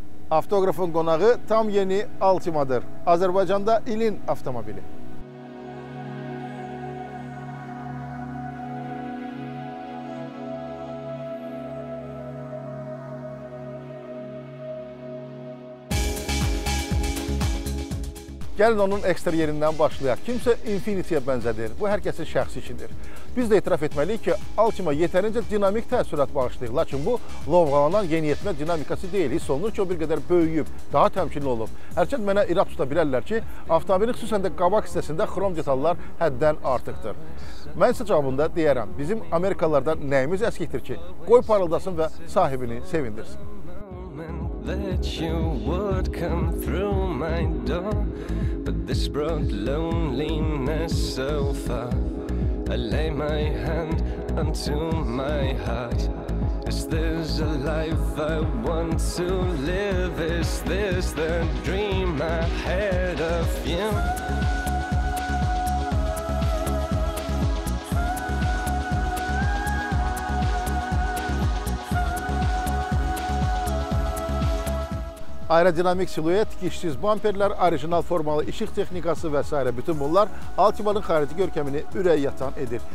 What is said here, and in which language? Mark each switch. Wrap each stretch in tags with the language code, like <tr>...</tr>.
<az>Avtoqrafın qonağı tam yeni Altima'dır. Azərbaycanda ilin avtomobili. Gəlin onun eksteriyerindən başlayaq. Kimsə Infiniti-yə bənzədir. Bu, hər kəsin şəxsi işidir. Biz də etiraf etməliyik ki, Altima yetərincə dinamik təəssürat bağışlayır. Lakin bu, lovğalanan yeniyetmə dinamikası deyil. Hiss olunur ki, o bir qədər böyüyüb, daha təmkinli olub. Hərçənd mənə irad tuta bilərlər ki, avtomobilin xüsusən də qabaq hissəsində xrom detallar həddən artıqdır. Mən isə cavabında deyərəm, bizim Amerikalılardan nəyimiz əskikdir ki, qoy parıldasın və sahibini sevindirsin.</az> <en>That you would come through my door, but this brought loneliness so far. I lay my hand unto my heart. Is this a life I want to live? Is this the dream I had of you?</en> <az>Aerodinamik siluet, dişsiz bamperlər, orijinal formalı işıq texnikası və s. bütün bunlar Altima'nın xarici görkəmini ürək yatan edir.</az>